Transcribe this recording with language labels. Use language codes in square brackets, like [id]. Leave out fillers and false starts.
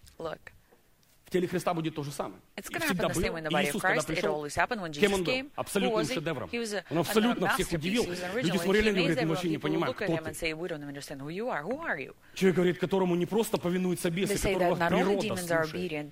[ru] В теле Христа будет то же самое. [en] It's going to happen the same way in the body of Christ. It always happened when Jesus came. [ru] Абсолютным шедевром. Он абсолютно всех удивил. Люди смотрели на него и вообще не понимали, кто ты. Человек говорит, которому не просто повинуются бесы, которого природа слушает.